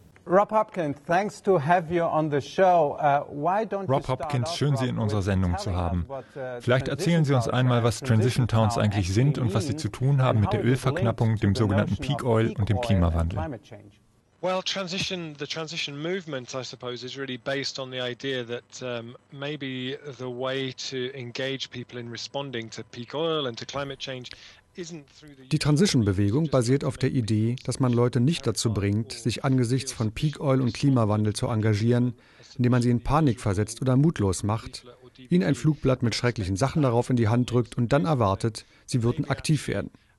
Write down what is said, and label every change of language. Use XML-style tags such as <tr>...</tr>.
<en>Rob Hopkins, thanks to have you on the show. Why don't you start?</en> <de>Rob Hopkins, schön Sie in unserer Sendung zu haben. Vielleicht erzählen Sie uns einmal, was Transition Towns eigentlich sind und was sie zu tun haben mit der Ölverknappung, dem sogenannten Peak Oil und dem Klimawandel.</de> <en>Well, the transition movement, I suppose, is really based on the idea that maybe the way to engage people in responding to peak oil and to climate change.</en> <de>Die Transition-Bewegung basiert auf der Idee, dass man Leute nicht dazu bringt, sich angesichts von Peak Oil und Klimawandel zu engagieren, indem man sie in Panik versetzt oder mutlos macht, ihnen ein Flugblatt mit schrecklichen Sachen darauf in die Hand drückt und dann erwartet, sie würden aktiv werden.</de>